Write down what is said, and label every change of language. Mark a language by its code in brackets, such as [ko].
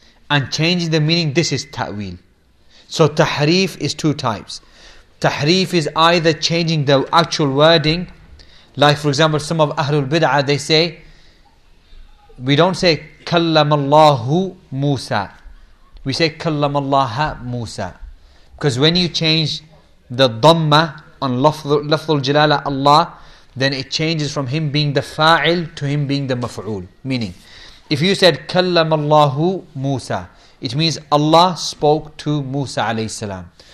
[en] And changing the meaning, this is ta'wil. So tahrif is two types. Tahrif is either changing the actual wording. Like for example, some of Ahlul Bid'ah, they say, we don't say [ar] كَلَّمَ اللَّهُ مُوسَى. [en] We say [ar] كلم الله موسى. [en] Because when you change the Dhamma on لفظ الجلالة Allah, then it changes from Him being the fa'il to Him being the maf'ul. Meaning, if you said [ar] كلم الله موسى, [en] it means Allah spoke to Musa alayhi salam.